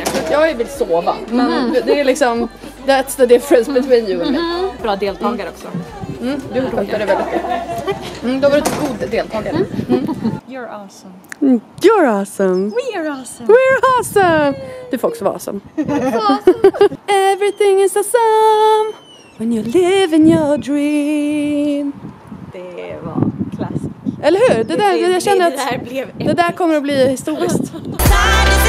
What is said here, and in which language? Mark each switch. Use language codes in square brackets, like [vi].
[sv] Jag vill sova, men det är liksom, [en] that's the difference between you and me. [sv] Bra deltagare också. Du funkar väldigt bra. Du har varit en god deltagare. [en] You're awesome. You're awesome. We're awesome. We're awesome! [sv] Du får också vara awesome. [en] Everything is awesome. When you live in your dream. [sv] Det var klassiskt. Eller hur? Det där, jag känner att det där kommer att bli historiskt.